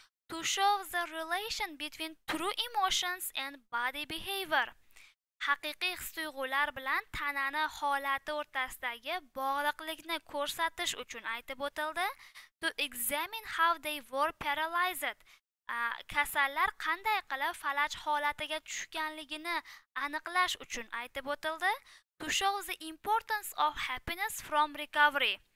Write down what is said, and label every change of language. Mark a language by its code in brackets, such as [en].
[en] To show the relation between true emotions and body behavior. [uz] Haqiqiy his-tuyg'ular bilan tanani holati o'rtasidagi bog'liqlikni ko'rsatish uchun aytib o'tildi. [en] To examine how they were paralyzed. [uz] Kasallar qanday qilib falaj holatiga tushganligini aniqlash uchun aytib o'tildi. [en] To show the importance of happiness from recovery.